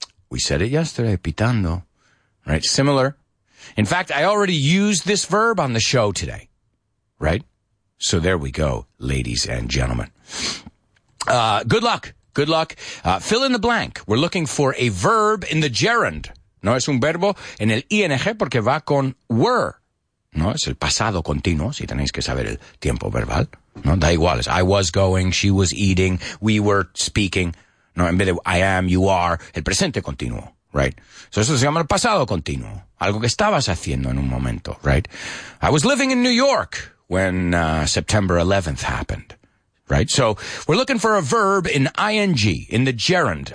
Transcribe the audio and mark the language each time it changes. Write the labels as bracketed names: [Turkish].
[English] We said it yesterday, pitando, right? Similar. In fact, I already used this verb on the show today, right? So there we go, ladies and gentlemen. Good luck. Good luck. Fill in the blank. We're looking for a verb in the gerund. [Spanish] No es un verbo en el ing porque va con were. No, es el pasado continuo, si tenéis que saber el tiempo verbal. No, da igual. [English] I was going, she was eating, we were speaking. [Spanish] No, en vez de [English] I am, you are, [Spanish] el presente continuo, right? So eso se llama el pasado continuo, algo que estabas haciendo en un momento, right? [English] I was living in New York when September 11th happened, right? So we're looking for a verb in ing, in the gerund.